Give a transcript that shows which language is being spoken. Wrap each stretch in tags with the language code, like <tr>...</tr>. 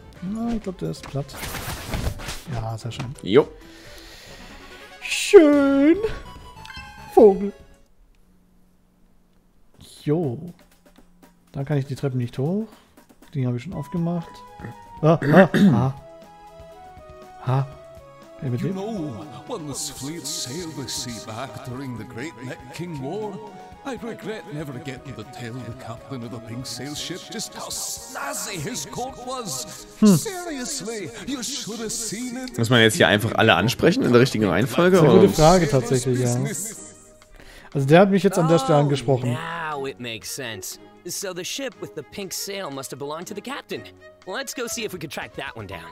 <de>Na, ich glaube, der ist platt. Ja, ist ja schon. Jo. Schön. Vogel. Jo, da kann ich die Treppen nicht hoch. Die habe ich schon aufgemacht.</de> <en>You know, when this fleet sailed the sea back during the Great Net King War, I regret never getting to tell the captain of the pink sail ship just how snazzy his coat was. Seriously, you should have seen it.</en> <de>Muss man jetzt hier einfach alle ansprechen in der richtigen Reihenfolge? Das ist eine gute Frage tatsächlich, ja. Also der hat mich jetzt an der Stelle angesprochen.</de> <en>It makes sense. So the ship with the pink sail must have belonged to the captain. Let's go see if we can track that one down.</en>